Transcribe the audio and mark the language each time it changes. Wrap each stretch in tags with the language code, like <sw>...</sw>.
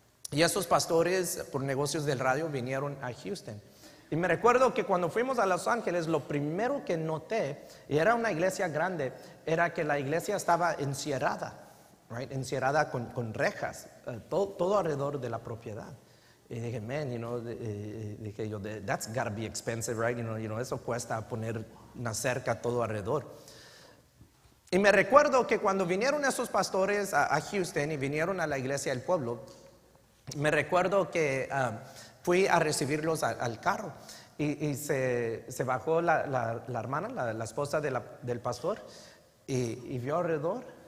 <es>Y esos pastores por negocios del radio vinieron a Houston. Y me recuerdo que cuando fuimos a Los Ángeles, lo primero que noté, y era una iglesia grande, era que la iglesia estaba encierrada, right? Encierrada con rejas, todo alrededor de la propiedad. Y dije,</es> <en>man, you know,</en> <es>dije yo,</es> <en>that's gotta be expensive, right? You know,</en> <es>eso cuesta poner una cerca todo alrededor. Y me recuerdo que cuando vinieron esos pastores a Houston y vinieron a la iglesia del pueblo, me recuerdo que fui a recibirlos al carro. Y se bajó la hermana, la esposa del pastor, y vio alrededor.</es>